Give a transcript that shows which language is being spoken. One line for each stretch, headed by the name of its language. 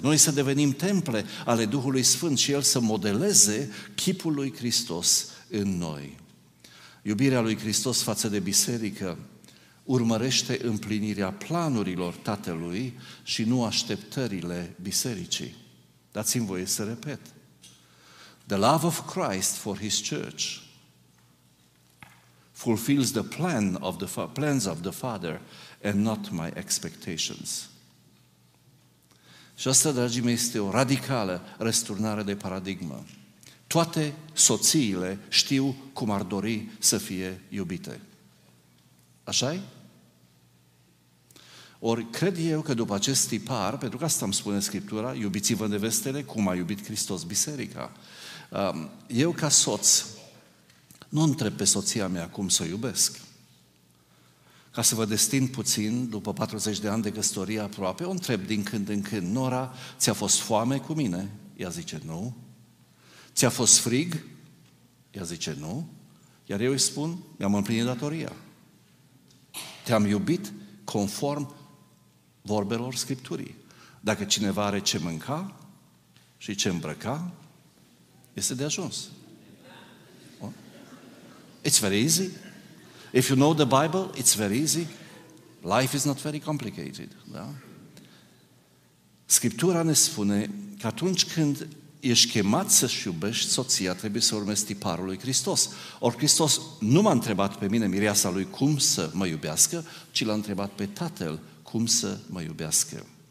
Romanian: Noi să devenim temple ale Duhului Sfânt și El să modeleze chipul lui Hristos în noi. Iubirea lui Hristos față de biserică urmărește împlinirea planurilor Tatălui și nu așteptările bisericii. Dați-mi voie să repet.
English: The love of Christ for His church fulfills the plan of the plans of the Father and not my expectations.
Romanian: Și asta, dragii mei, este o radicală răsturnare de paradigmă. Toate soțiile știu cum ar dori să fie iubite. Așa-i? Ori cred eu că după acest tipar, pentru că asta îmi spune Scriptura, iubiți-vă nevestele cum a iubit Hristos biserica. Eu ca soț nu întreb pe soția mea cum să o iubesc. Ca să vă destind puțin, după 40 de ani de căsătorie aproape, o întreb din când în când: Nora, ți-a fost foame cu mine? Ea zice, nu. Ți-a fost frig? Ea zice, nu. Iar eu îi spun, mi-am împlinit datoria. Te-am iubit conform vorbelor Scripturii. Dacă cineva are ce mânca și ce îmbrăca, este de ajuns.
English: It's very easy. If you know the Bible, it's very easy. Life is not very complicated. Da?
Romanian: Scriptura ne spune că atunci când ești chemat să-și iubești soția, trebuie să urmezi tiparul lui Hristos. Ori Hristos nu m-a întrebat pe mine, mireasa lui, cum să mă iubească, ci l-a întrebat pe Tatăl cum să mă iubească.